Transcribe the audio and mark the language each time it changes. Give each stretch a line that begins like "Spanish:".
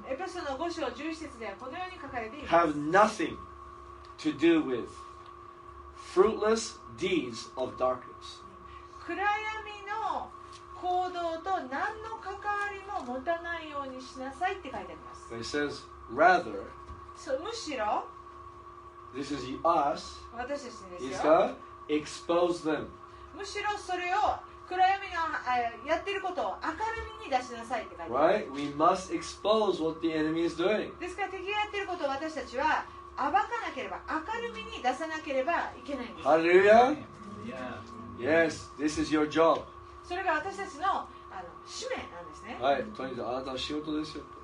Japanese: エペソの5章11節ではこのように書かれています。
English: Have nothing to do with fruitless deeds of darkness.
Japanese: 暗闇の行動と何の関わりも持たないようにしなさいって書いてあります。
English: It says, rather,
Japanese: so, むしろ、
English: this is us,
Japanese: 私たちですよ。
English: He's got expose them.
Japanese: むしろそれを暗闇のやってることを明るみに出しなさいって書いてある。
English: Right? We must expose what the enemy is doing.
Japanese: ですから敵がやってることを私たちは暴かなければ、明るみに出さなければいけないんです。
English: Hallelujah! Yeah. Yes, this is your job.
Japanese: それが私たちの、使命なんですね。はい、とにかくあなたの仕事ですよ。